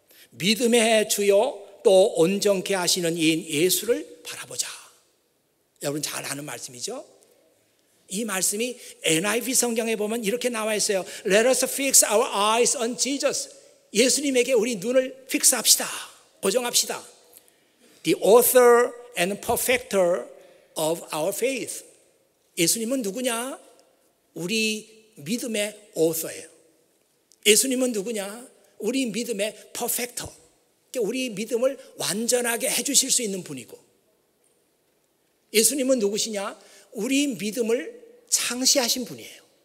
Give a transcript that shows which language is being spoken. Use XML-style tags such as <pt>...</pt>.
<ko>믿음의 주요 또 온전케 하시는 이인 예수를 바라보자. 여러분 잘 아는 말씀이죠? 이 말씀이 NIV 성경에 보면 이렇게 나와 있어요.</ko> <en>Let us fix our eyes on Jesus.</en> <ko>예수님에게 우리 눈을 픽스합시다. 고정합시다.</ko> <en>The author and perfecter of our faith.</en> <ko>예수님은 누구냐? 우리 믿음의 author예요. 예수님은 누구냐? 우리 믿음의 perfecter. 우리 믿음을 완전하게 해주실 수 있는 분이고. 예수님은 누구시냐? 우리 믿음을 창시하신 분이에요.</ko>